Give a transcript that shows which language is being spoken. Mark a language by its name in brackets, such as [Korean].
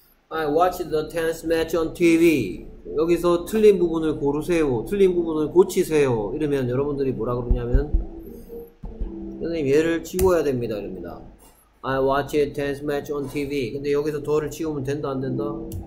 [English] 'I watched the tennis match on TV.' [Korean] 여기서 틀린 부분을 고르세요. 틀린 부분을 고치세요. 이러면 여러분들이 뭐라 그러냐면, 선생님 얘를 치워야 됩니다. 이럽니다. [English] 'I watched the tennis match on TV.' [Korean] 근데 여기서 더를 치우면 된다, 안 된다?